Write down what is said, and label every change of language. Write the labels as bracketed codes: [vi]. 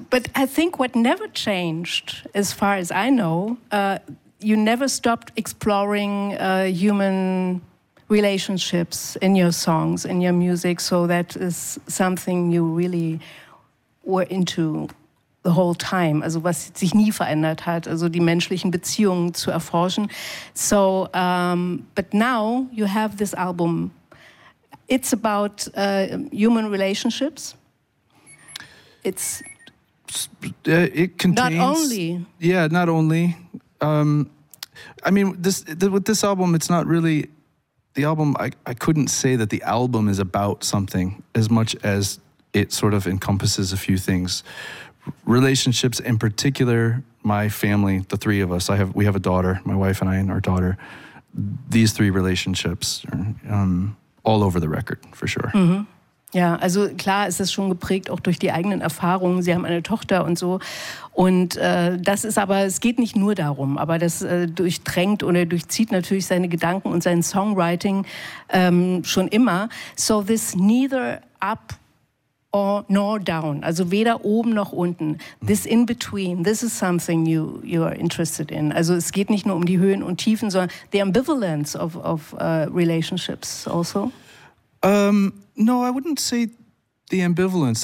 [en] But I think what never changed, as far as I know, you never stopped exploring human relationships in your songs, in your music. So that is something you really were into the whole time. [de] Also, was sich nie verändert hat, also die menschlichen Beziehungen zu erforschen. [en] So, but now you have this album. It's about human relationships. It contains not only. With this album, it's not really the album. I couldn't say that the album is about something as much as it sort of encompasses a few things. Relationships, in particular, my family, the three of us. We have a daughter, my wife and I, and our daughter. These three relationships are all over the record, for sure. Mm-hmm. [de] Ja, also klar ist es schon geprägt auch durch die eigenen Erfahrungen. Sie haben eine Tochter und so. Und das ist aber, es geht nicht nur darum, aber das durchdrängt oder durchzieht natürlich seine Gedanken und sein Songwriting schon immer. [en] So this neither up or nor down, [de] also weder oben noch unten, [en] this in between, this is something you are interested in. [de] Also es geht nicht nur um die Höhen und Tiefen, sondern [en] the ambivalence of relationships also. No, I wouldn't say the ambivalence.